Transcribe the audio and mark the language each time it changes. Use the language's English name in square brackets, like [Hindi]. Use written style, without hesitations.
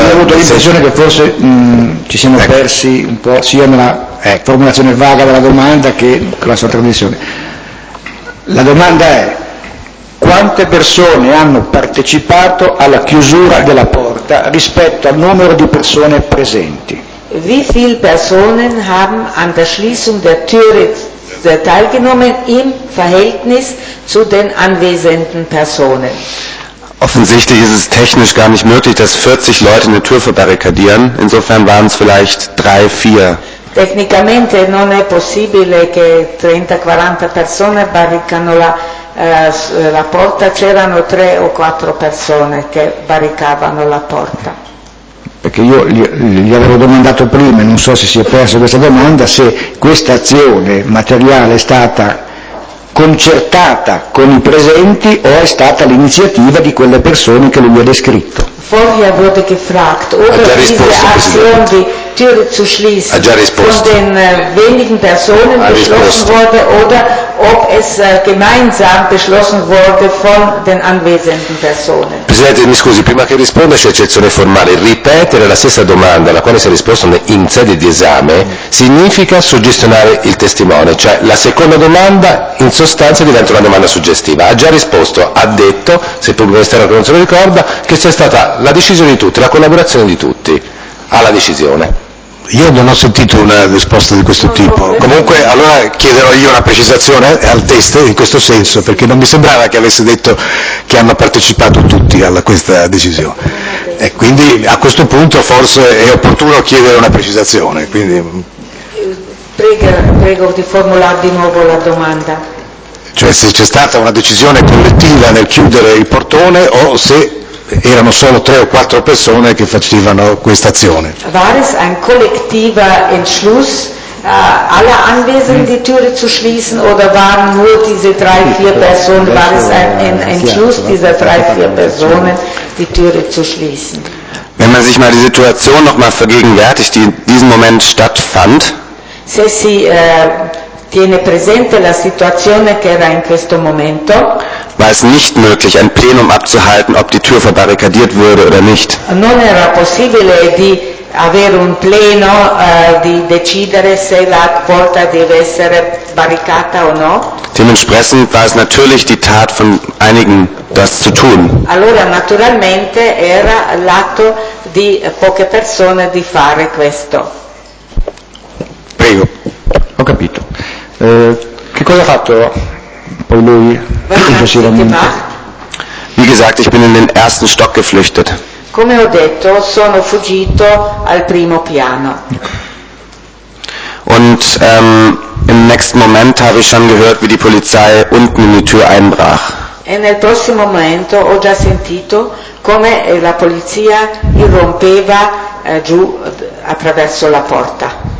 [Italian] Certo, ho avuto l'impressione che forse ci siamo persi un po' sia nella formulazione vaga della domanda che con la sua trasmissione. La domanda è: quante persone hanno partecipato alla chiusura della porta rispetto al numero di persone presenti? [German] Wie viele Personen haben an der Schließung der Türe teilgenommen im Verhältnis zu den anwesenden Personen? Offensichtlich ist es technisch gar nicht möglich, dass 40 Leute eine Tür verbarrikadieren. Insofern waren es vielleicht 3-4. [Italian] Tecnicamente non è possibile che 30-40 persone barricano la porta. C'erano 3 o 4 persone che barricavano la porta. Perché io gli avevo domandato prima, non so se si è perso questa domanda, se questa azione materiale è stata concertata con i presenti o è stata l'iniziativa di quelle persone che lui ha descritto. [German] Vorher wurde gefragt, ob diese Aktion, die Tür zu schließen, von den wenigen Personen beschlossen wurde oder ob es gemeinsam beschlossen wurde von den anwesenden Personen. [Italian] Presidente, mi scusi, prima che risponda c'è eccezione formale. Ripetere la stessa domanda alla quale si è risposto in sede di esame significa suggestionare il testimone, cioè la seconda domanda in sostanza diventa una domanda suggestiva. Ha già risposto, ha detto, se il pubblico ministero non se lo ricorda, che c'è stata la decisione di tutti, la collaborazione di tutti alla decisione. Io non ho sentito una risposta di questo tipo. Comunque, allora chiederò io una precisazione al test in questo senso, perché non mi sembrava che avesse detto che hanno partecipato tutti a questa decisione. E quindi a questo punto forse è opportuno chiedere una precisazione. Quindi prego di formulare di nuovo la domanda. Cioè se c'è stata una decisione collettiva nel chiudere il portone o se erano solo tre o quattro persone che facevano questa azione. [German] War es ein kollektiver Entschluss, alle anwesenden die Türe zu schließen, oder waren nur diese drei, vier Personen, war es ein Entschluss dieser drei, vier Personen, die Türe zu schließen? Wenn man sich mal die Situation nochmal vergegenwärtigt, die in diesem Moment stattfand. [Italian] Se si tiene presente la situazione che era in questo momento. [German] War es nicht möglich, ein Plenum abzuhalten, ob die Tür verbarrikadiert würde oder nicht. [Italian] Non era possibile di avere un pleno di decidere se la porta deve essere barricata o no. [German] Dementsprechend war es natürlich die Tat von einigen, das zu tun. [Italian] Allora naturalmente era l'atto di poche persone di fare questo. Prego. Ho capito. Che cosa ha fatto poi lui? [German] Wie gesagt, ich bin in den ersten Stock geflüchtet. [Italian] Come ho detto, sono fuggito al primo piano. [German] Und im nächsten Moment habe ich schon gehört, wie die Polizei unten in die Tür einbrach. [Italian] E nel prossimo momento ho già sentito come la polizia irrompeva giù attraverso la porta.